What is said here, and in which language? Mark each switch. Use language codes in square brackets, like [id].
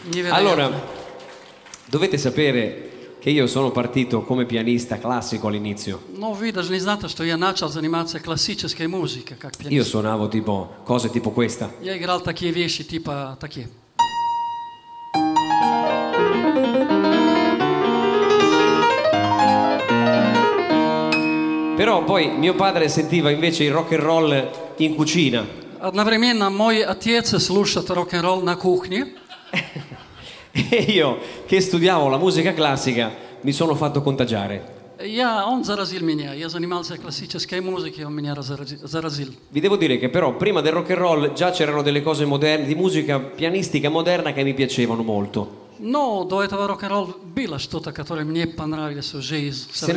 [it] Allora, dovete sapere che io sono partito come pianista classico all'inizio. [ru] No, vi должны знать, что я начал заниматься классической музыкой как пианист. [it] Io suonavo tipo cose tipo questa. [ru] Я играл такие вещи типа такие. [it] Però poi mio padre sentiva invece il rock and roll in cucina. [ru] Одновременно мой отец слушает рок-н-ролл на кухне. [it] E io che studiavo la musica classica mi sono fatto contagiare. [ru] Я он заразил меня. Я занимался классической музыкой, он меня заразил. [it] Vi devo dire che però prima del rock and roll già c'erano delle cose moderne, di musica pianistica moderna che mi piacevano molto. [ru] No, до этого рок-н-ролл было что-то, которое мне понравилось в жизни.